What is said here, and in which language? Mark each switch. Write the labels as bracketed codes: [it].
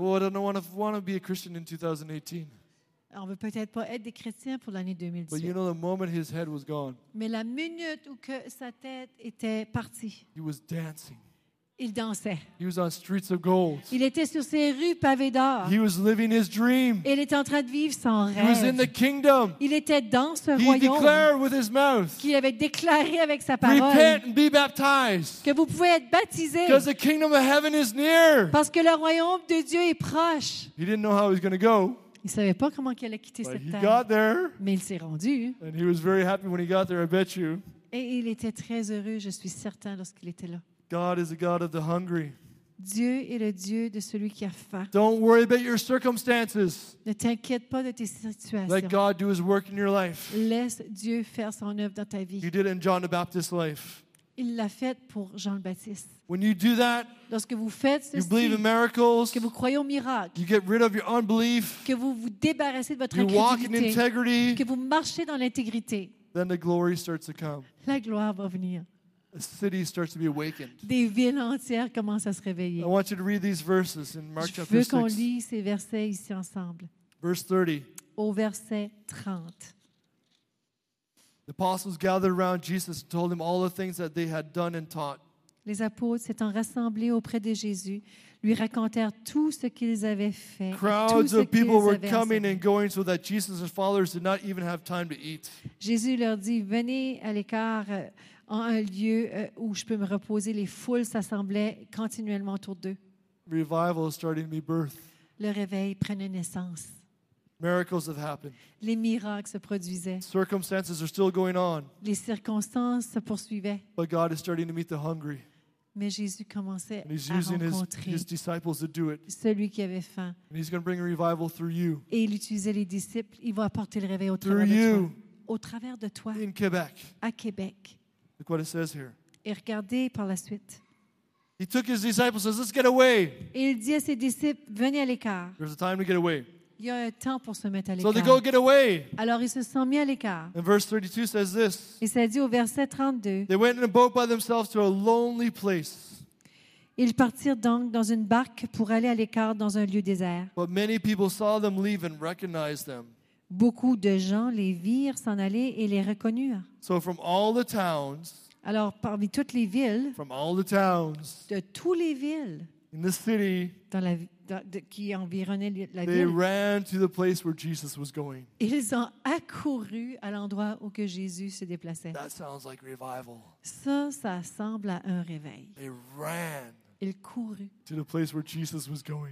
[en] Well, I don't want to be a Christian in 2018. [fr] On ne veut peut-être pas être des chrétiens pour l'année 2018. [en] But you know, the moment his head was gone, [fr] mais la minute où que sa tête était partie, [en] he was dancing. [fr] Il dansait. [en] He was on streets of gold. [fr] Il était sur ses rues pavées d'or. [en] He was living his dream. [fr] Il était en train de vivre son rêve. [en] He was in the kingdom. [fr] Il était dans ce [en] he [fr] royaume. [en] He declared with his mouth, [fr] qu'il avait déclaré avec sa parole, [en] repent and be baptized, [fr] que vous pouvez être baptisé, [en] because the kingdom of heaven is near, [fr] parce que le royaume de Dieu est proche. [en] He didn't know how he was going to go. [fr] Il ne savait pas comment il allait quitter cette terre. [en] Got there, [fr] mais il s'est rendu. [en] And he was very happy when he got there, I bet you. [fr] Et il était très heureux, je suis certain, lorsqu'il était là. [en] God is the God of the hungry. [fr] Dieu est le Dieu de celui qui a faim. [en] Don't worry about your circumstances. [fr] Ne t'inquiète pas de tes situations. [en] Let God do his work in your life. [fr] Laisse Dieu faire son œuvre dans ta vie. [en] He did it in John the Baptist's life. [fr] Il l'a fait pour Jean le Baptiste. [en] When you do that, [fr] lorsque vous faites ceci, [en] you believe in miracles, [fr] que vous croyez aux miracles, [en] you get rid of your unbelief, [fr] que vous vous débarrassez de votre incrédulité, [en] you walk in integrity, [fr] que vous marchez dans l'intégrité, [en] then the glory starts to come. [fr] La gloire va venir. [en] A city starts to be awakened. [fr] Des villes entières commencent à se réveiller. [en] I want you to read these verses in Mark chapter 6. [fr] Je veux qu'on lit ces versets ici ensemble. [en] Verse 30. [fr] Au verset 30. [en] The apostles gathered around Jesus and told him all the things that they had done and taught. [fr] Les apôtres s'étant rassemblés auprès de Jésus, lui racontèrent tout ce qu'ils avaient fait. [en] Crowds of people were coming and going so that Jesus' followers did not even have time to eat. [fr] Jésus leur dit, venez à l'écart en un lieu où je peux me reposer. Les foules s'assemblaient continuellement autour d'eux. [en] Revival is starting to be birthed. [fr] Le réveil prenait naissance. [en] Miracles have happened. [fr] Les miracles se produisaient. [en] Circumstances are still going on. [fr] Les circonstances se poursuivaient. [en] But God is starting to meet the hungry. [fr] Mais Jésus commençait à rencontrer [en] his disciples to do it. [fr] Celui qui avait faim. [en] And he's going to bring a revival through you. [fr] Et il utilisait les disciples. [en] Il va apporter le réveil au through [fr] travers [en] you. [fr] De toi. Au travers de toi. [en] In Quebec. [fr] À Québec. [en] Look what it says here. [fr] Et regardez par la suite. [en] He took his disciples and says, "Let's get away." [fr] Et il dit à ses disciples, venez à l'écart. [en] There's a time to get away. [fr] Il y a un temps pour se mettre à l'écart. [en] So they go get away. [fr] Alors ils se sont mis à l'écart. [en] And verse 32 says this. [fr] Et ça dit au verset 32. [en] They went in a boat by themselves to a lonely place. [fr] Ils partirent donc dans une barque pour aller à l'écart dans un lieu désert. [en] But many people saw them leave and recognized them. [fr] Beaucoup de gens les virent s'en aller et les reconnurent. [en] So from all the towns. [fr] Alors parmi toutes les villes. [en] From all the towns. [fr] De toutes les villes. [en] In the city. [fr] Dans la ville. Qui environnait la ville. [en] They ran to the place where Jesus was going. [fr] Ils ont accouru à l'endroit où que Jésus se déplaçait. [en] That sounds like revival. [fr] Ça semble à un réveil. [en] They ran. [fr] Ils coururent. [en] To the place where Jesus was going.